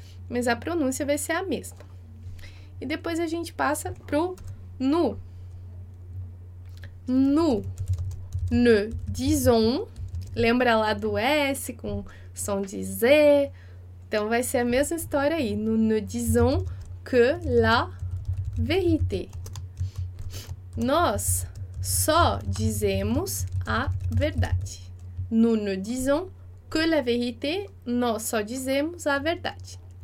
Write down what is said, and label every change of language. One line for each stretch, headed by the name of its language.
Portuguese: Mas a pronúncia vai ser a mesma. E depois a gente passa pro nu.
French: Nous ne disons,
Portuguese: lembra lá do S com som de Z, então vai ser a mesma história aí.
French: Nous ne disons que la vérité.
Portuguese: Nós só dizemos a verdade.
French: Nous ne disons que la vérité,
Portuguese: nós só dizemos a verdade.